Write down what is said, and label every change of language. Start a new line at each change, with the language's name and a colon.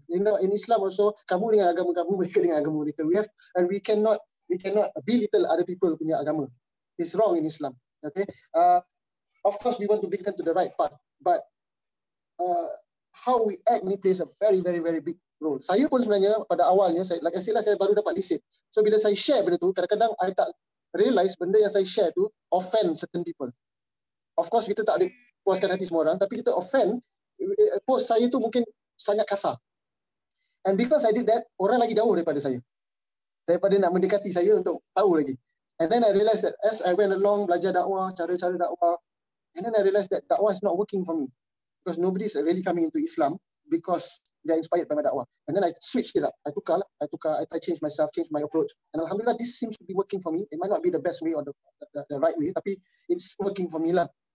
English: You know, in Islam also,
Malay: kamu dengan agama kamu, mereka dengan agama mereka.
English: We cannot belittle other people
Malay: punya agama.
English: It's wrong in Islam. Okay. Of course, we want to bring them to the right path. But how we act may plays a very, very, very big role.
Malay: Saya pun sebenarnya pada awalnya, saya,
English: like I said
Malay: lah, saya baru dapat lisit. So bila saya share benda tu, kadang-kadang I tak realise benda yang saya share tu offend certain people. Of course, kita tak ada puaskan hati semua orang, tapi kita offend, post saya tu mungkin sangat kasar.
English: And because I did that,
Malay: orang lagi jauh daripada saya. Daripada nak mendekati saya untuk tahu lagi.
English: And then I realised that as I went along,
Malay: belajar dakwah, cara-cara dakwah,
English: and then I realised that dakwah is not working for me. Because nobody's really coming into Islam because they're inspired by my dakwah. And then I switched it up. I changed myself, changed my approach. And alhamdulillah, this seems to be working for me. It might not be the best way or the right way, tapi it's working for me lah.